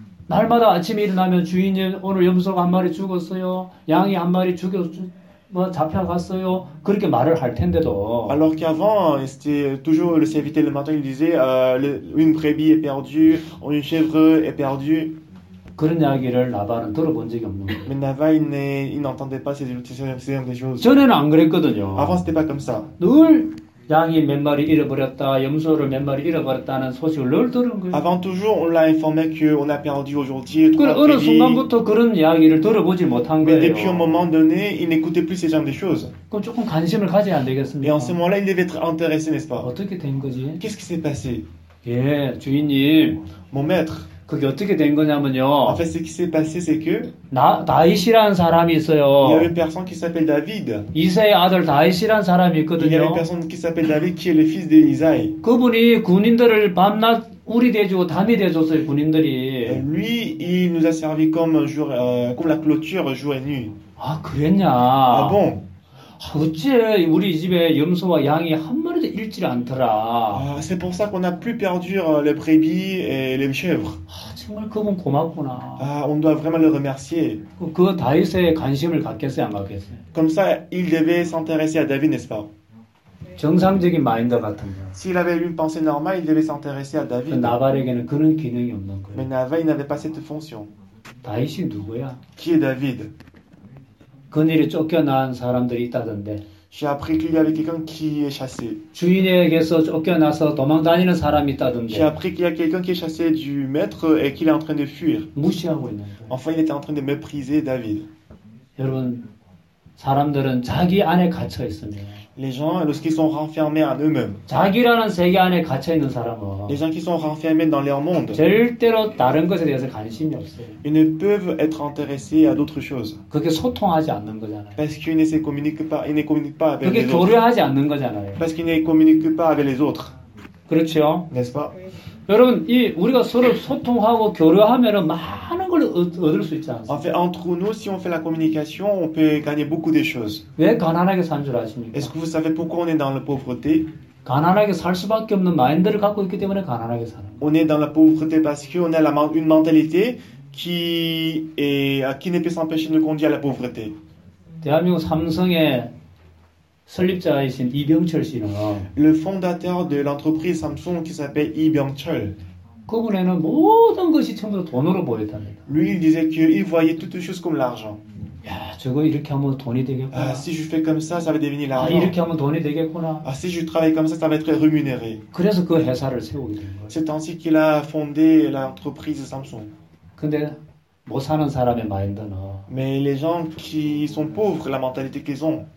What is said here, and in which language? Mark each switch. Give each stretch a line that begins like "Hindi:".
Korean: 날마다 아침에 일어나면 주인님 오늘 염소가 한 마리 죽었어요. 양이 한 마리 죽였어요. 뭐 잡혀갔어요. 그렇게 말을 할 텐데도.
French: Alors qu'avant, c'était toujours le serviteur le matin, il disait une brebis est perdue, une chèvre est perdue.
Korean: 그런 이야기를 나발은 들어본 적이 없는 거예요.
French: Mais Naval n'entendait pas ces choses.
Korean: 전에는 안 그랬거든요.
French: Avant c'était pas comme ça.
Korean: 늘 양이 몇 마리 잃어버렸다, 염소를 몇 마리 잃어버렸다는 소식을 늘 들은 거예요.
French: Avant toujours on l'a informé qu'on a perdu aujourd'hui.
Korean: 그래, 어느 순간부터 그런 이야기를 들어보지 못한 거예요.
French: Mais depuis un moment donné, il n'écoutait plus ce genre de choses.
Korean: 그럼 조금 관심을 가져야 안 되겠습니까?
French: Et en ce moment-là, il devait être intéressé, n'est-ce pas?
Korean: 어떻게 된 거지?
French: Qu'est-ce qui s'est passé?
Korean: 예, 주인님.
French: Mon maître.
Korean: 그게 어떻게 된 거냐면요.
French: En fait, ce qui s'est passé, c'est que
Korean: 다윗이라는 사람이 있어요.
French: Il y avait une personne qui s'appelle David.
Korean: 이사의 아들 다윗이라는 사람이 있거든요.
French: Il y avait une personne qui s'appelle David qui est le fils de Isaïe.
Korean: 그분이 군인들을 밤낮 우리 대주고 담이 되줬어요, 군인들이.
French: Lui, il nous a servi comme un jour comme la clôture jour et nuit.
Korean: 아, 그랬냐?
French: Ah bon?
Korean: 어째 우리 집에 염소와 양이 한 마리도 잃지를 않더라.
French: C'est pour ça qu'on a plus perdu les brebis et les chèvres.
Korean: 아, 정말 그분 고맙구나.
French: On doit vraiment le remercier.
Korean: 그 다윗에 관심을 갖겠어요, 안 갖겠어요?
French: Comme ça, il devait s'intéresser à David, n'est-ce pas?
Korean: 정상적인 마인드 같은 거.
French: S'il avait une pensée normale, il devait s'intéresser à David.
Korean: 나발에게는 그런 기능이 없는 거예요.
French: Mais Naval n'avait pas cette fonction.
Korean: 다윗이 누구야?
French: Qui est David?
Korean: 그늘에 쫓겨난 사람들이 있다던데.
French: J'ai appris qu'il y avait quelqu'un qui est chassé.
Korean: 주인에게서 쫓겨나서 도망다니는 사람이 있다던데.
French: J'ai appris qu'il y a quelqu'un qui est chassé du maître et qu'il est en train de fuir.
Korean: 무시하고 있는.
French: Enfin, il était en train de mépriser David.
Korean: 여러분, 사람들은 자기 안에 갇혀 있습니다.
French: Les gens, lorsqu'ils sont renfermés en eux-mêmes.
Korean: 자기라는 세계 안에 갇혀 있는 사람은.
French: Les gens qui sont renfermés dans leur monde.
Korean: 절대로 다른 것에 대해서 관심이 없어요.
French: Ils ne peuvent être intéressés à d'autres choses.
Korean: 그게 소통하지 않는 거잖아요.
French: Parce qu'ils ne se communiquent pas, ils ne communiquent pas avec les autres.
Korean: 그게 교류하지 않는 거잖아요.
French: Parce qu'ils ne communiquent pas avec les autres.
Korean: 그렇죠?
French: N'est-ce pas?
Korean: 여러분 이 우리가 서로 소통하고 교류하면은 많은 걸 얻을 수 있지 않습니까?
French: En fait, entre nous, si on fait la communication, on peut gagner beaucoup de choses.
Korean: 왜 가난하게 산 줄 아십니까?
French: Est-ce que vous savez pourquoi on est dans la pauvreté?
Korean: 가난하게 살 수밖에 없는 마인드를 갖고 있기 때문에 가난하게 사는.
French: On est dans la pauvreté parce qu'on a la une mentalité qui est qui ne peut s'empêcher de conduire à la pauvreté.
Korean: 대한민국 삼성의 설립자이신 이병철 씨는
French: le fondateur de l'entreprise Samsung qui s'appelle Lee Byung-chul.
Korean: 그분에는 모든 것이 전부 돈으로 보였답니다.
French: Lui il disait qu'il voyait toutes choses comme l'argent.
Korean: 야, 저거 이렇게 하면 돈이 되겠구나.
French: Ah, si je fais comme ça, ça va devenir l'argent.
Korean: 아, 이렇게 하면 돈이 되겠구나.
French: Ah, si je travaille comme ça, ça va être rémunéré.
Korean: 그래서 그 회사를 세우게 된 거예요.
French: C'est ainsi qu'il a fondé l'entreprise Samsung.
Korean: 근데 못 사는 사람의 마인드는
French: Mais les gens qui sont pauvres, la mentalité qu'ils ont,